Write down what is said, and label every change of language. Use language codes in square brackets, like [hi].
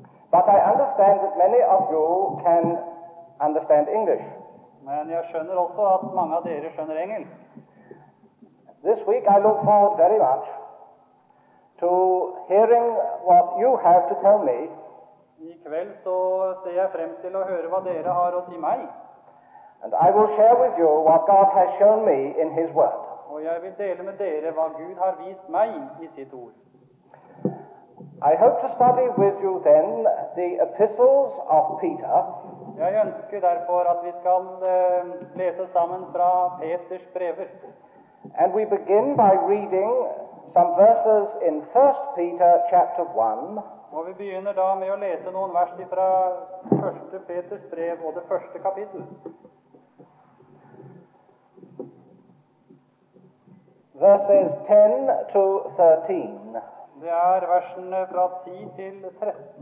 [en] But I understand that many of you can understand English. [no] Men jeg skjønner også at mange av dere skjønner engelsk. [en] This week I look forward very much to hearing what you have to tell me. [no] I kveld så ser jeg frem til å høre hva dere har å si meg. [en] And I will share with you what God has shown me in His Word. [no] Og jeg vil dele med dere hva Gud har vist meg i sitt ord. [en] I hope to study with you then the epistles of Peter. [no] Jeg ønsker derfor at vi skal lese sammen fra Peters brever. [en] And we begin by reading some verses in 1 Peter chapter 1. [no] Og vi begynner da med å lese noen vers fra 1. Peters brev og det første kapittel. [en] Verses 10 to 13. [no] Det er versene fra 10 til 13.